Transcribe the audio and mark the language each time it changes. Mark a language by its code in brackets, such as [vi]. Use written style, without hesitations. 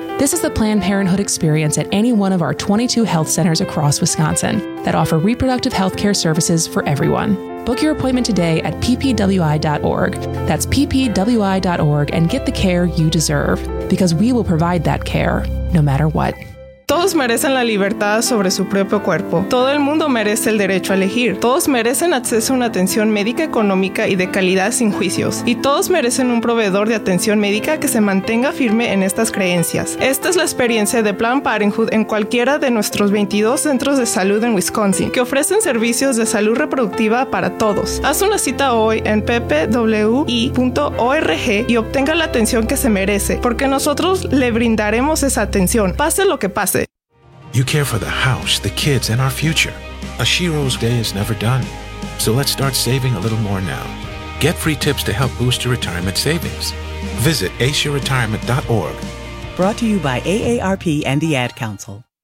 [en] This is the Planned Parenthood experience at any one of our 22 health centers across Wisconsin that offer reproductive health care services for everyone. Book your appointment today at ppwi.org. That's ppwi.org, and get the care you deserve, because we will provide that care no matter what. [es] Todos merecen la libertad sobre su propio cuerpo. Todo el mundo merece el derecho a elegir. Todos merecen acceso a una atención médica económica y de calidad sin juicios. Y todos merecen un proveedor de atención médica que se mantenga firme en estas creencias. Esta es la experiencia de Planned Parenthood en cualquiera de nuestros 22 centros de salud en Wisconsin, que ofrecen servicios de salud reproductiva para todos. Haz una cita hoy en ppwi.org y obtenga la atención que se merece, porque nosotros le brindaremos esa atención, pase lo que pase. [en] You care for the house, the kids, and our future. Ashiro's day is never done, so let's start saving a little more now. Get free tips to help boost your retirement savings. Visit aceyourretirement.org. Brought to you by AARP and the Ad Council.